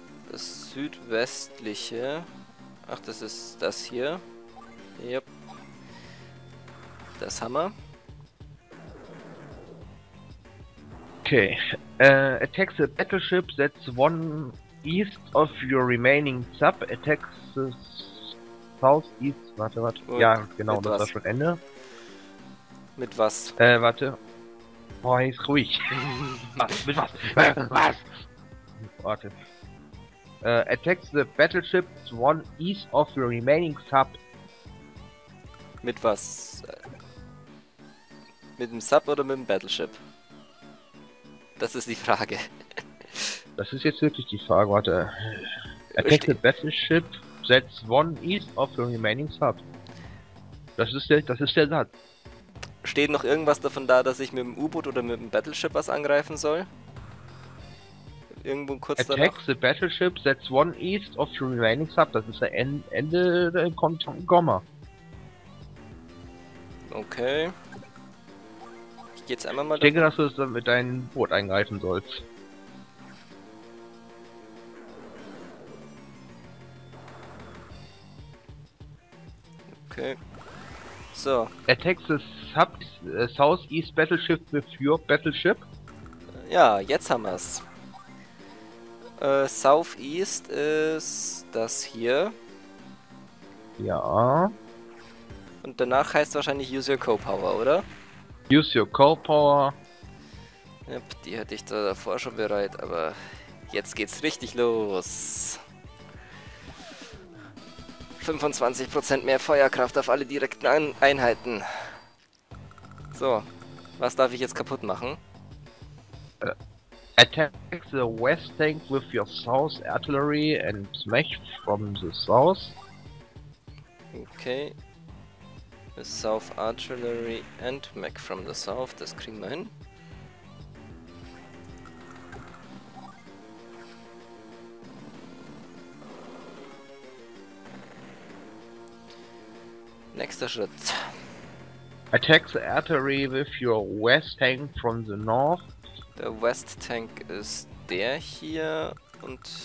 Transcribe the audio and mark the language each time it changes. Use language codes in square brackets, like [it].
[de] Das südwestliche. Ach, das ist das hier. Yep. Das Hammer. Okay. [en] Attack the battleship that's 1 east of your remaining sub. Attack the south east. [de] Warte. Und ja, genau, das war schon Ende. Mit was? Warte. Boah, ist ruhig. Mit was? Was? Warte. [en] Attack the battleship 1 east of your remaining sub. [de] Mit was? Mit dem Sub oder mit dem Battleship? Das ist die Frage. Das ist jetzt wirklich die Frage, warte. [en] Attack the Battleship, that's 1 east of the remaining Sub. [de] Das ist der Satz. Steht noch irgendwas davon da, dass ich mit dem U-Boot oder mit dem Battleship was angreifen soll? Irgendwo kurz [en] Attack [de] danach? [en] Attack the Battleship, that's 1 east of the remaining Sub. [de] Das ist der Ende, da kommt ein Komma. Okay. Jetzt einmal mal ich denke, dass du es dann mit deinem Boot eingreifen sollst. Okay. So. [en] Attack the sub, southeast battleship with your battleship? [de] Ja, jetzt haben wir es. Southeast ist das hier. Ja. Und danach heißt es wahrscheinlich [en] Use Your Co-Power, [de] oder? [en] Use your call power. [de] Yep, die hatte ich da davor schon bereit, aber jetzt geht's richtig los. 25% mehr Feuerkraft auf alle direkten Einheiten. So, was darf ich jetzt kaputt machen? [en] Attack the west tank with your south artillery and smash from the south. Okay. The South Artillery and Mech from the South, [de] das kriegen wir hin. Nächster Schritt. [en] Attack the artillery with your West Tank from the North. [de] Der West Tank ist der hier und...